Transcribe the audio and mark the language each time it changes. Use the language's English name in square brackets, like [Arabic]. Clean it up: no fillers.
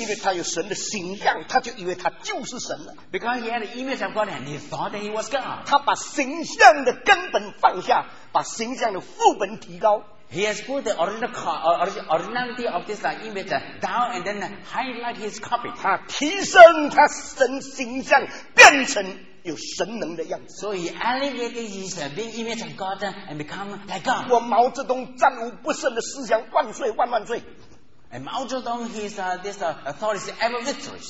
[Chinese] 因为他有神的形象，他就以为他就是神了。 [English] Because he had the image of God and he thought that he was God. [Chinese] 他把形象的根本放下。把形象的副本提高。 [English] He has put the originality of this image down and then highlight his copy. [Chinese] 他提升他神形象，变成有神能的样子。 [English] So he elevated his being image of God and become like God. [Chinese] 我毛泽东战无不胜的思想万岁万万岁。 [English] And Mao Zedong, his this authority is ever victorious.